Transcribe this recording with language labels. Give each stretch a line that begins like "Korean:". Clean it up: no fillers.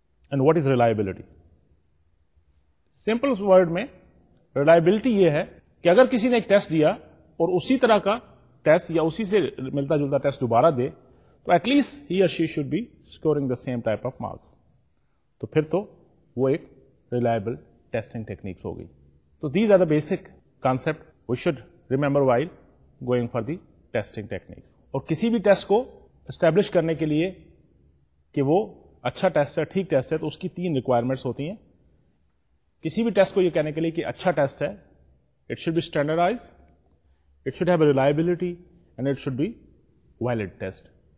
English: And what is reliability?
Urdu: Simple word میں reliability یہ ہے کہ اگر کسی نے ایک ٹیسٹ دیا اور اسی طرح کا ٹیسٹ یا اسی سے ملتا جلتا ٹیسٹ دوبارہ دے, تو
English: At least ہی اور she should be scoring the same type of marks.
Urdu: تو پھر تو وہ ایک ریلائبل ٹیسٹنگ ٹیکنیکس ہو گئی.
English: تو these are the basic concept we should remember while going for the testing techniques.
Urdu: اور کسی بھی ٹیسٹ کو اسٹیبلش کرنے کے لیے کہ وہ اچھا ٹیسٹ ہے, ٹھیک ٹیسٹ ہے, تو اس کی تین ریکوائرمنٹس ہوتی ہیں. کسی بھی ٹیسٹ کو یہ کہنے کے لیے کہ اچھا ٹیسٹ ہے,
English: It should be standardise, it should have a reliability, and it should be valid test.